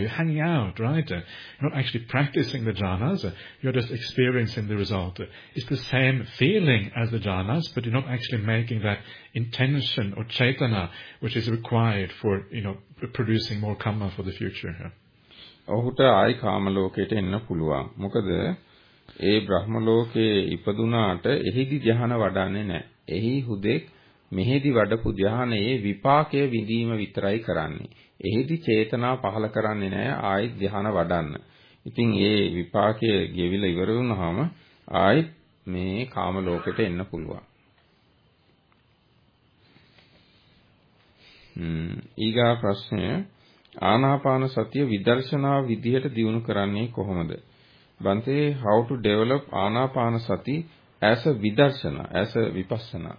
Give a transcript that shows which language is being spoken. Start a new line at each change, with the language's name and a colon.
English: You're hanging out, right? You're not actually practicing the jhanas, you're just experiencing the result. It's the same feeling as the jhanas, but you're not actually making that intention or chaitana which is required for, you know, producing more kamma for the future.
Sinhala: ඔහුට ආයි කාම ලෝකයට එන්න පුළුවන්. මොකද ඒ බ්‍රහ්ම ලෝකයේ ඉපදුනාට එහිදී ධ්‍යාන වඩන්නේ නැහැ. එහි හුදෙක් මෙහිදී වඩපු ධ්‍යානයේ විපාකය විඳීම විතරයි කරන්නේ. එහිදී චේතනා පහළ කරන්නේ නැහැ ආයි ධ්‍යාන වඩන්න. ඉතින් ඒ විපාකය ගෙවිලා ඉවර වුණාම ආයි මේ කාම ලෝකෙට එන්න පුළුවන්. ඊගා ප්‍රශ්නය, ආනාපාන සතිය විදර්ශනා විදිහට දියුණු කරන්නේ කොහොමද?
English: Bhante, how to develop anapana sati as a vidarshana, as a vipassana.